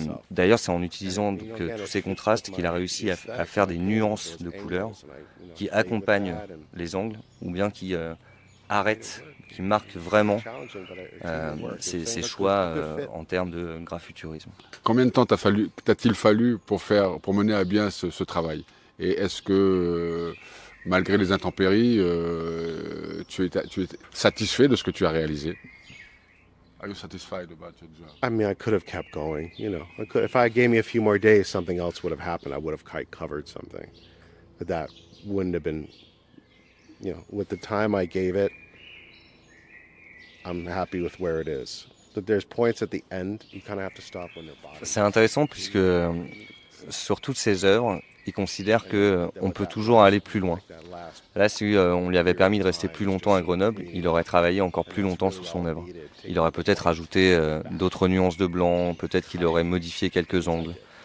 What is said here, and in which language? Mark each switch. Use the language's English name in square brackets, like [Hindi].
[French] D'ailleurs, c'est en utilisant donc, tous ces contrastes qu'il a réussi à faire des nuances de couleurs qui accompagnent les angles ou bien qui arrêtent, qui marquent vraiment ces choix en termes de graffiturisme. Combien de temps t'a-t-il fallu pour mener à bien ce travail? Et est-ce que, malgré les intempéries, Tu es satisfait de ce que tu as réalisé? [English] Are you satisfied about your job? I mean, I could have kept going, you know. I could, if I gave me a few more days, something else would have happened. I would have quite covered something. But that wouldn't have been, you know, with the time I gave it, I'm happy with where it is. But there's points at the end, you kind of have to stop when they're bottom. [French] C'est intéressant puisque sur toutes ces heures, il considère qu'on peut toujours aller plus loin. Là, si on lui avait permis de rester plus longtemps à Grenoble, il aurait travaillé encore plus longtemps sur son œuvre. Il aurait peut-être ajouté d'autres nuances de blanc, peut-être qu'il aurait modifié quelques angles.